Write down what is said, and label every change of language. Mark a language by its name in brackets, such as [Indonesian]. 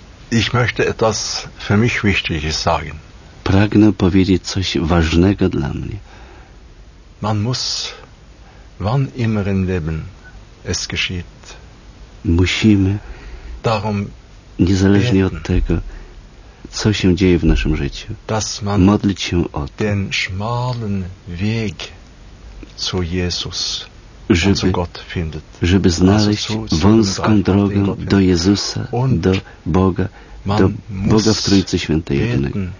[German] Ich möchte etwas für mich Wichtiges sagen. [Polish] Pragnę powiedzieć coś ważnego dla mnie. [German] Man muss wann immer im Leben es geschieht. [Polish] Musimy [German] darum [Polish] niezależnie od tego, co się dzieje w naszym życiu, [German] dass man [Polish] modlić się o to, [German] den schmalen Weg zu Jesus, [Polish] żeby, [German] zu Gott findet, [Polish] żeby znaleźć wąską drogę do Jezusa, do Boga, do Boga w Trójcy Świętej Jedynej.